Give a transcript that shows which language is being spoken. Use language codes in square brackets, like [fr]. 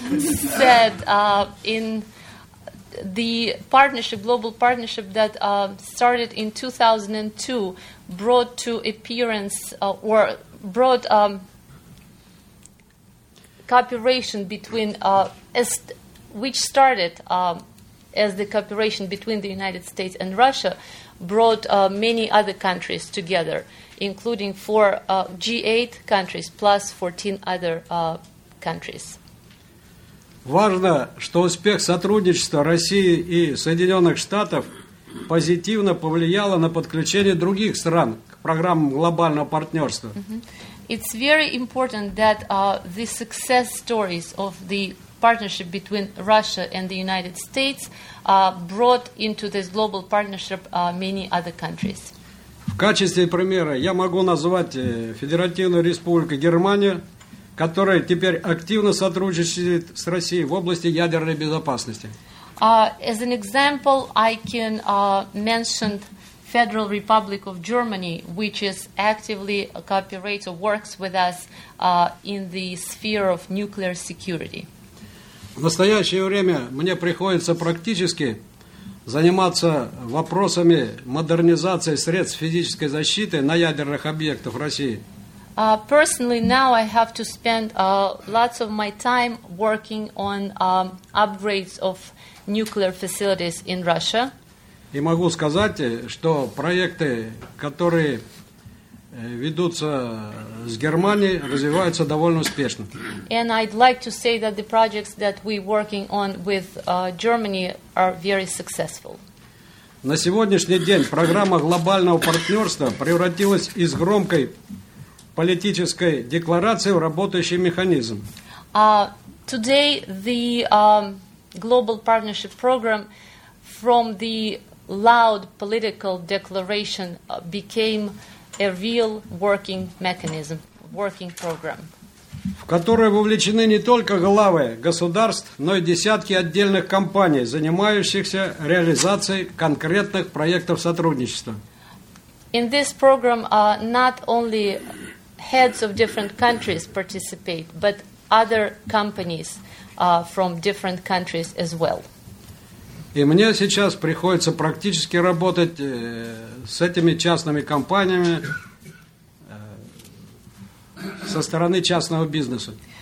[en] Said in the partnership, global partnership that started in 2002 brought to appearance or brought cooperation between which started as the cooperation between the United States and Russia brought many other countries together, including four G8 countries plus 14 other countries. [ru] Важно, что успех сотрудничества России и Соединенных Штатов позитивно повлияло на подключение других стран к программам глобального партнерства. [en] It's very important that the success stories of the partnership between Russia and the United States brought into this global partnership many other countries. [ru] В качестве примера я могу назвать Федеративную Республику Германию, которая теперь активно сотрудничает с Россией в области ядерной безопасности. [en] As an example, I can mention Federal Republic of Germany, which is actively cooperates or works with us in the sphere of nuclear security. [ru] В настоящее время мне приходится практически заниматься вопросами модернизации средств физической защиты на ядерных объектах России. [en] Personally, now I have to spend lots of my time working on upgrades of nuclear facilities in Russia. [ru] И могу сказать, что проекты, которые ведутся с Германией, развиваются довольно успешно. [en] And I'd like to say that the projects that we're working on with Germany are very successful. [ru] На сегодняшний день программа глобального партнерства превратилась из громкой политической декларации в работающий механизм. [en] Today the Global Partnership Program from the loud political declaration became a real working mechanism, working program. [ru] В которой вовлечены не только главы государств, но и десятки отдельных компаний, занимающихся реализацией конкретных проектов сотрудничества. [en] In this program, not only heads of different countries participate, but other companies from different countries as well. [ru] И мне сейчас приходится практически работать с этими частными компаниями со стороны частного бизнеса.